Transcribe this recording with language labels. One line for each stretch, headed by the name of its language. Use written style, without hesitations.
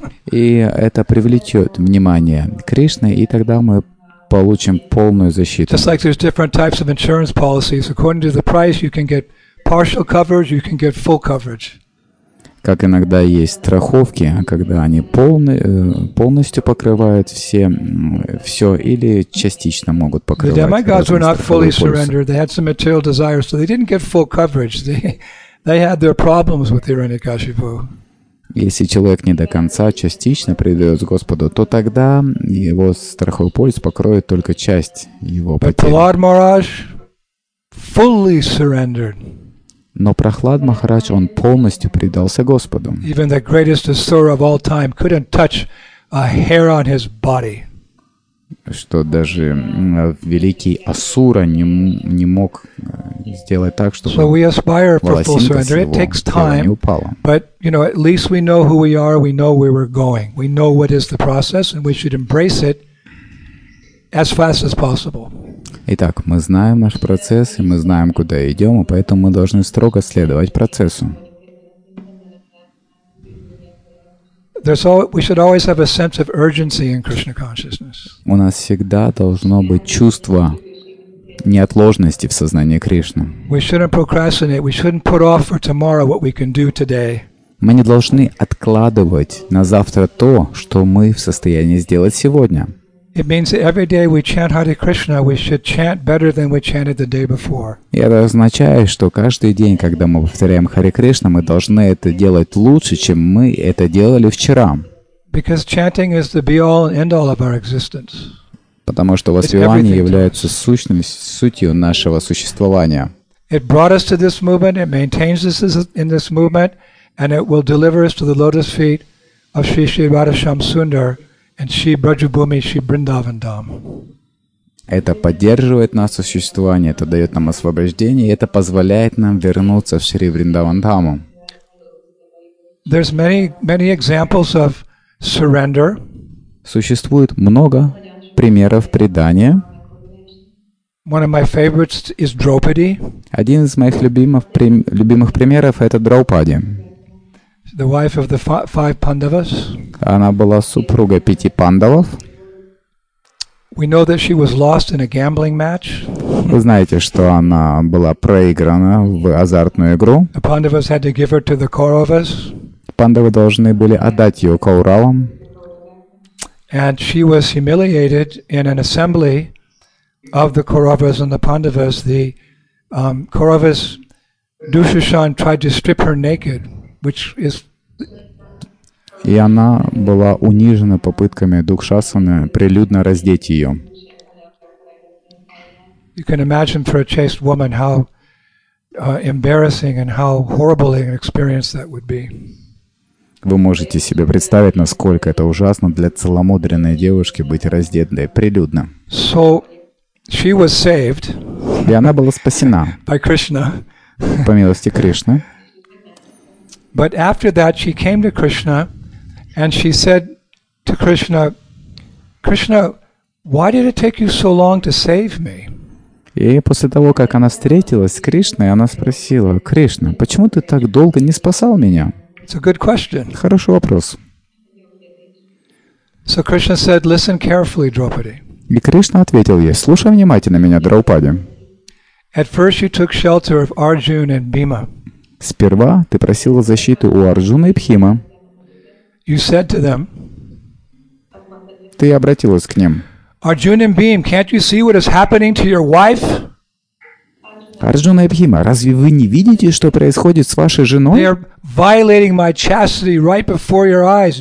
Russian: И это привлечет внимание Кришны, и тогда мы получим полную защиту.
English: Just like there's different types of insurance policies. According to the price, you can get partial coverage, you can get full coverage.
Russian: Как иногда есть страховки, когда они полностью покрывают все или частично могут покрывать.
English: The demigods were not fully surrendered. They had some material desires, so they didn't get full coverage. They had their problems with Hiranyakashipu.
Russian: Если человек не до конца частично предает Господу, то тогда его страховой полис покроет только часть его потери. Но Прахлад Махарадж, он полностью предался Господу.
English: Even the greatest asura of all time couldn't touch a hair on his body.
Russian: Что даже великий асура не мог сделать так, чтобы
English: So we aspire for full surrender. It takes time. But, you know, at least we know who we are, we know where we're going. We know what is the process and we should embrace it as fast as possible.
Russian: Итак, мы знаем наш процесс, и мы знаем, куда идем, и поэтому мы должны строго следовать процессу.
English: We should always have a sense of urgency in Krishna consciousness.
Russian: У нас всегда должно быть чувство неотложности в сознании Кришны.
English: We shouldn't procrastinate. We shouldn't put off for tomorrow what we can do today.
Russian: Мы не должны откладывать на завтра то, что мы в состоянии сделать сегодня.
English: It means that every day we chant Hare Krishna, we should chant better than we chanted the day before.
Russian: И это означает, что каждый день, когда мы повторяем Харе Кришна, мы должны это делать лучше, чем мы это делали вчера.
English: Because chanting is the be-all and end-all of our existence.
Russian: Потому что воспевание является сутью нашего существования.
English: It brought us to this movement, it maintains us in this movement, and it will deliver us to the lotus feet of Sri Sri Radha Shyam Sundar. And she Brajabhumi, she Brindavan Dham.
Russian: Это поддерживает нас в существовании, это дает нам освобождение, и это позволяет нам вернуться в Шри Вриндаван Дхаму.
English: There's many, many examples of surrender.
Russian: Существует много примеров предания.
English: One of my favorites is Draupadi.
Russian: Один из моих любимых примеров — это Драупади.
English: The wife of the five Pandavas.
Russian: Она была супругой пяти пандавов.
English: We know that she was lost in a gambling match.
Russian: Вы знаете, что она была проиграна в азартную игру.
English: The Pandavas had to give her to the Kauravas.
Russian: Пандавы должны были отдать ее Кауравам.
English: And she was humiliated in an assembly of the Kauravas and the Pandavas. The Kauravas, Dushasan tried to strip her naked. Which is...
Russian: И она была унижена попытками Дукшасаны прилюдно раздеть ее.
English: You can imagine for a chaste woman how embarrassing and how horrible an experience that would be.
Russian: Вы можете себе представить, насколько это ужасно для целомудренной девушки быть раздетой прилюдно.
English: So she was saved.
Russian: И она была спасена.
English: By Krishna.
Russian: По милости Кришны.
English: But after that, she came to Krishna, and she said to Krishna, "Krishna, why did it take you so long to save me?"
Russian: И после того, как она встретилась с Кришной, она спросила: "Кришна, почему ты так долго не спасал меня?"
English: It's a good question.
Russian: Хороший вопрос.
English: So Krishna said, "Listen carefully, Draupadi."
Russian: И Кришна ответил ей: "Слушай внимательно меня, Драупади."
English: At first, you took shelter of Arjuna and Bhima.
Russian: Сперва ты просила защиты у Арджуны и Бхима.
English: You said to them,
Russian: ты обратилась к ним.
English: Arjuna and Bhima, can't you see what is happening to your wife?
Russian: Арджуна и Бхима, разве вы не видите, что происходит с вашей женой?
English: They are violating my chastity right before your eyes.